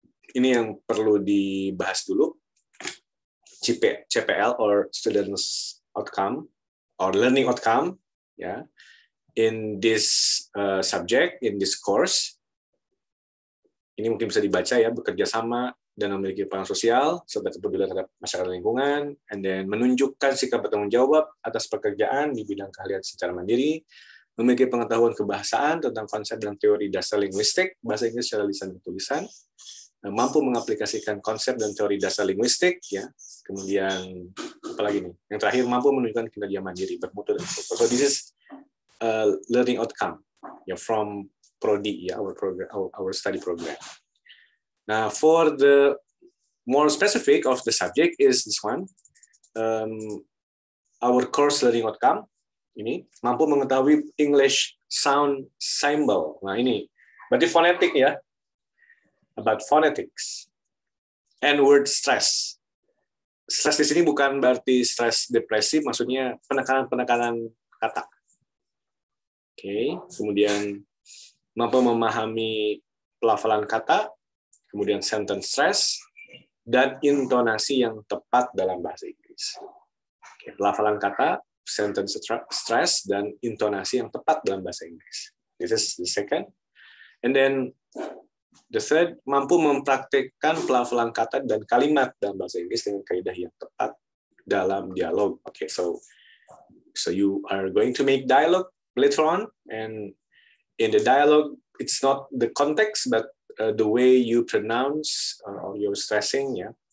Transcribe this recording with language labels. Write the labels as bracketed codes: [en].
[id] Ini yang perlu dibahas dulu. [en] CPL or students outcome or learning outcome, yeah, in this subject, in this course. [id] Ini mungkin bisa dibaca, ya, bekerja sama dan memiliki peran sosial serta kepedulian terhadap masyarakat lingkungan, [en] and then [id] menunjukkan sikap bertanggung jawab atas pekerjaan di bidang keahlian secara mandiri, memiliki pengetahuan kebahasaan tentang konsep dan teori dasar linguistik bahasa Inggris secara lisan dan tulisan, mampu mengaplikasikan konsep dan teori dasar linguistik, ya. Kemudian apalagi nih? Yang terakhir, mampu menunjukkan kinerja mandiri bermutu dan struktur. [en] So this is a learning outcome, ya, from prodi, ya, our program, our study program. Now for the more specific of the subject is this one, our course learning outcome. [id] Ini mampu mengetahui [en] English sound symbol. [id] Nah ini, berarti fonetik, ya. [en] About phonetics and word stress. [id] Stress di sini bukan berarti stress depresi, maksudnya penekanan kata. Okay. Kemudian mampu memahami pelafalan kata, kemudian sentence stress dan intonasi yang tepat dalam bahasa Inggris. Okay. Pelafalan kata, sentence stress dan intonasi yang tepat dalam bahasa Inggris. [en] This is the second. And then [id] The thread mampu mempraktikkan pelafalan kata dan kalimat dalam bahasa Inggris dengan kaidah yang tepat dalam dialog. [en] Okay, so you are going to make dialogue later on, and in the dialogue, it's not the context, but the way you pronounce or your stressing, ya.